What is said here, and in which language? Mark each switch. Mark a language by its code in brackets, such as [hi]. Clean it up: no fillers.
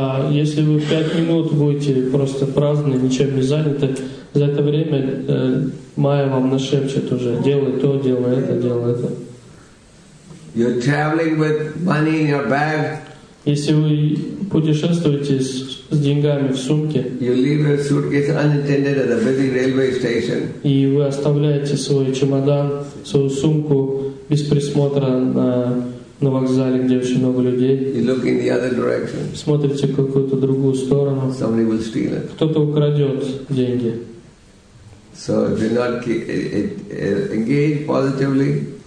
[ru] Если вы 5 минут будете просто праздны, ничем не заняты, за это время майя вам нашепчет уже: делай то, делай это. [en] You're traveling with money in your bag. [ru] Если вы путешествуете с деньгами в сумке, [en] you leave your suitcase unattended at a busy railway station. [ru] И вы оставляете свой чемодан, свою сумку без присмотра на на вокзале, где очень много людей. [en] You look in the other direction. [ru] Смотрите в какую-то другую сторону. [en] Somebody will steal it. [ru] Кто-то украдет деньги. [en] So if you're not engaged positively.